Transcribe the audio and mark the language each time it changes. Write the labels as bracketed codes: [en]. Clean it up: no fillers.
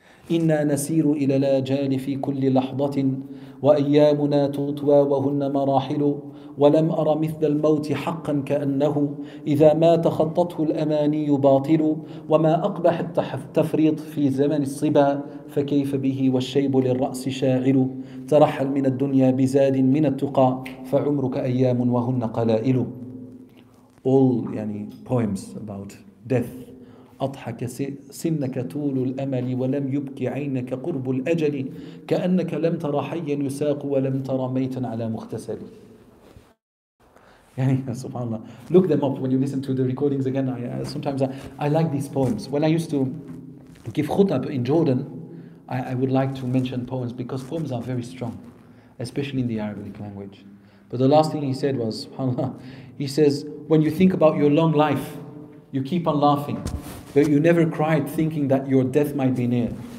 [ar] إنا نسير إلى الأجال في كل لحظة وأيامنا تطوى وهن مراحل ولم أر مثل الموت حقا كأنه إذا ما تخطته الأماني باطل وما أقبح التفريط في زمن الصبا فكيف به والشيب للرأس شاعل ترحل من الدنيا بزاد من التقى فعمرك أيام وهن قلائل. [en] All يعني poems about death. [ar] أضحك سنك طول الأمل ولم يبكي عينك قرب الأجل كأنك لم ترى حيا يساق ولم ترى ميتا على مختسل. يعني سبحان الله. [en] Look them up when you listen to the recordings again. I sometimes like these poems. When I used to give khutab in Jordan, I would like to mention poems because poems are very strong, especially in the Arabic language. But the last thing he said was, subhanAllah, he says, when you think about your long life, you keep on laughing, but you never cried thinking that your death might be near.